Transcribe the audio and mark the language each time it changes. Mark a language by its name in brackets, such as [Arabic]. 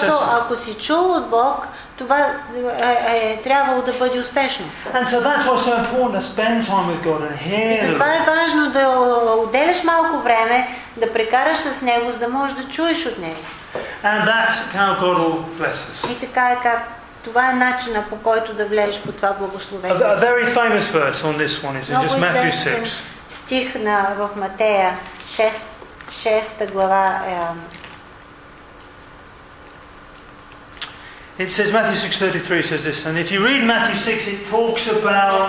[Bulgarian] Защото ако си чул от Бог, това е трябвало да бъде успешно. [English] And so that's what's so important, to spend time with God and hear. [Bulgarian] И затова е важно да отделяш малко време, да прекараш с Него, за да можеш да чуеш от Него. [English] And that's how God will bless us. [Bulgarian] И така е как. Това е начина, по който да влезеш по това благословение. [English] A very famous verse on this one is in just Matthew 6. [Bulgarian] Стих на в Матея 6-та глава. [English] It says Matthew 6:33 says this, and if you read Matthew 6, it talks about.